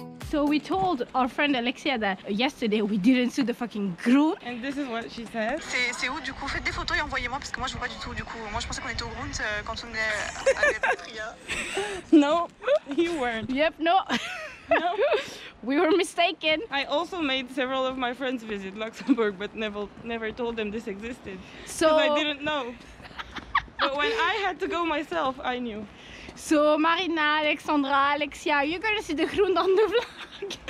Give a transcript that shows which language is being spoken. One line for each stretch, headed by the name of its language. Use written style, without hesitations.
English: So we told our friend Alexia that yesterday we didn't see the fucking Grund. And this is what she said.
French: C'est où du coup? Faites des photos et envoyez-moi parce que moi je vois pas du tout du coup. Moi je pensais qu'on était au Grund quand on est à Patria.
English: No, you weren't. Yep, no. No. We were mistaken. I also made several of my friends visit Luxembourg, but never told them this existed. So I didn't know. But when I had to go myself, I knew. So Marina, Alexandra, Alexia, you're gonna see the Grund on the vlog.